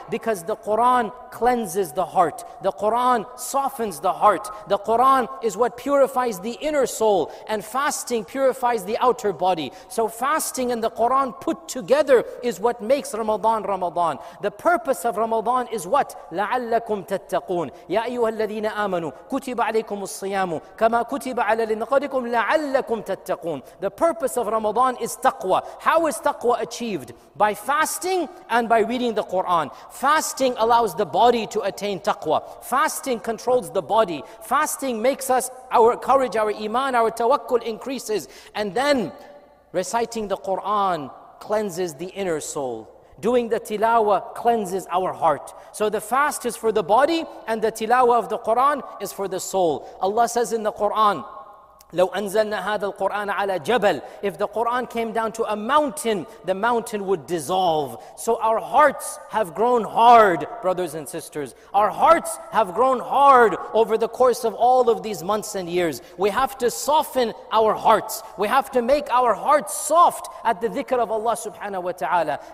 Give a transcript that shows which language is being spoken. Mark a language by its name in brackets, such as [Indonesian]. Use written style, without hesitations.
[English] Because the Qur'an cleanses the heart. The Qur'an softens the heart. The Qur'an is what purifies the inner soul, and fasting purifies the outer body. So fasting and the Qur'an put together is what makes Ramadan, Ramadan. The purpose of Ramadan is what? [Arabic] لَعَلَّكُمْ تَتَّقُونَ يَا أَيُّهَا الَّذِينَ آمَنُوا كُتِبَ عَلَيْكُمُ الصِّيَامُ كَمَا كُتِبَ عَلَى الَّذِينَ قَبْلَكُمْ لَعَلَّكُمْ تَتَّقُونَ [English] The purpose of Ramadan is taqwa. How is taqwa achieved? By fasting and by reading the Qur'an. Fasting allows the body to attain taqwa. Fasting controls the body. Fasting makes us, our courage, our iman, our tawakkul increases. And then reciting the Qur'an cleanses the inner soul. Doing the tilawa cleanses our heart. So the fast is for the body, and the tilawa of the Quran is for the soul. Allah says in the Quran, [Arabic] لو أنزلنا هذا القرآن على جبل. [English] If the Quran came down to a mountain, the mountain would dissolve. So our hearts have grown hard, brothers and sisters. Our hearts have grown hard over the course of all of these months and years. We have to soften our hearts. We have to make our hearts soft at the dhikr of Allah subhanahu wa ta'ala.